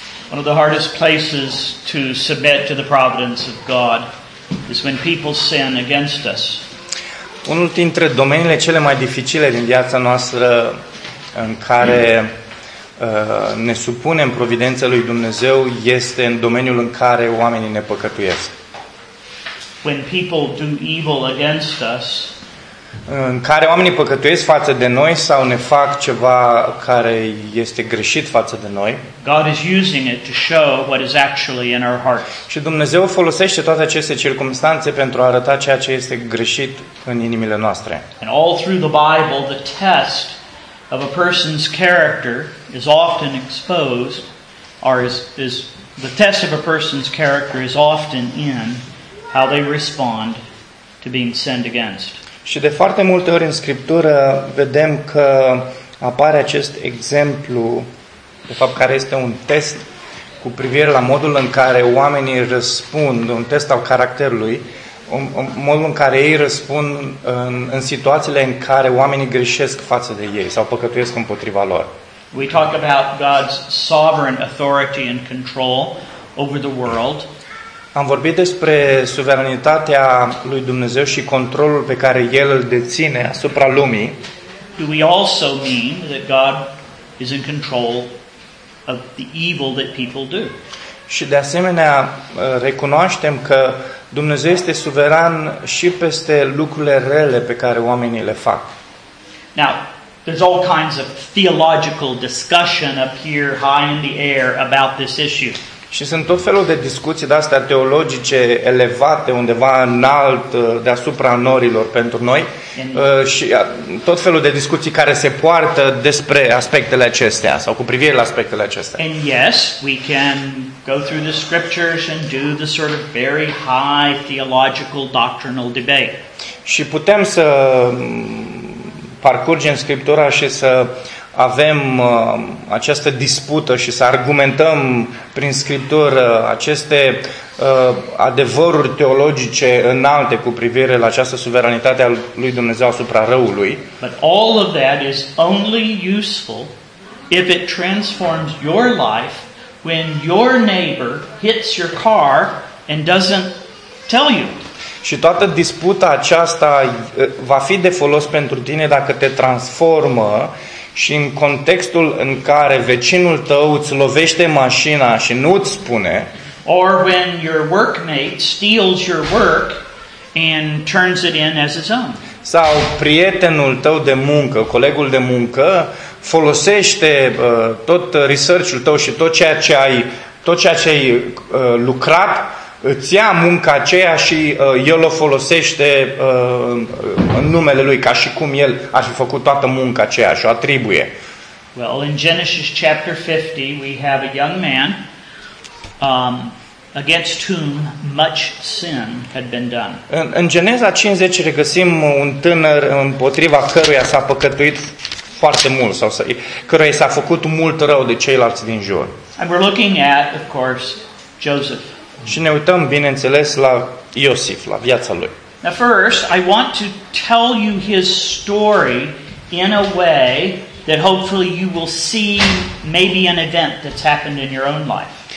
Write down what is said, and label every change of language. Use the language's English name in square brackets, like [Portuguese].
[English] One of the hardest places to submit to the providence of God is when people sin against us. [Romanian] Unul dintre domeniile cele mai dificile din viața noastră în care ne supunem providența lui Dumnezeu este în domeniul în care oamenii ne păcătuiesc. [English] When people do evil against us, [Romanian] în care oamenii păcătuiesc față de noi sau ne fac ceva care este greșit față de noi. [English] God is using it to show what is actually in our heart. [Romanian] Și Dumnezeu folosește toate aceste circumstanțe pentru a arăta ceea ce este greșit în inimile noastre. [English] And all through the Bible, the test of a person's character is often exposed, or is the test of a person's character is often in how they respond to being sinned against. [Romanian] Și de foarte multe ori în Scriptură vedem că apare acest exemplu, de fapt care este un test cu privire la modul în care oamenii răspund, un test al caracterului, modul în care ei răspund în situațiile în care oamenii greșesc față de ei sau păcătuiesc împotriva lor. [English] We talk about God's sovereign authority and control over the world. [Romanian] Am vorbit despre suveranitatea lui Dumnezeu și controlul pe care El îl deține asupra lumii. [English] Do we also mean that God is in control of the evil that people do? [Romanian] Și de asemenea recunoaștem că Dumnezeu este suveran și peste lucrurile rele pe care oamenii le fac. [English] Now, there's all kinds of theological discussion up here high in the air about this issue. [Romanian] Și sunt tot felul de discuții de-astea teologice elevate undeva înalt deasupra norilor pentru noi și tot felul de discuții care se poartă despre aspectele acestea sau cu privire la aspectele acestea. [English] And yes, we can go through the scriptures and do the sort of very high theological doctrinal debate. [Romanian] Și putem să parcurgem Scriptura și să avem această dispută și să argumentăm prin Scriptură aceste adevăruri teologice înalte cu privire la această suveranitate a lui Dumnezeu asupra răului. [English] But all of that is only useful if it transforms your life when your neighbor hits your car and doesn't tell you. [Romanian] Și toată disputa aceasta va fi de folos pentru tine dacă te transformă și în contextul în care vecinul tău îți lovește mașina și nu îți spune. [English] Or when your workmate steals your work and turns it in as its own. [Romanian] Sau prietenul tău de muncă, colegul de muncă, folosește tot research-ul tău și tot ceea ce ai lucrat, îți ia munca aceea și el o folosește în numele lui, ca și cum el ar fi făcut toată munca aceea și o atribuie. [English] Well, in Genesis chapter 50, we have a young man against whom much sin had been done. [Romanian] În Geneza 50 regăsim un tânăr împotriva căruia s-a păcătuit foarte mult sau căruia s-a făcut mult rău de ceilalți din jur. [English] And we're looking at, of course, Joseph. [Romanian] Și ne uităm, bineînțeles, la Iosif, la viața lui. [English] Now first, I want to tell you his story in a way that hopefully you will see maybe an event that's happened in your own life.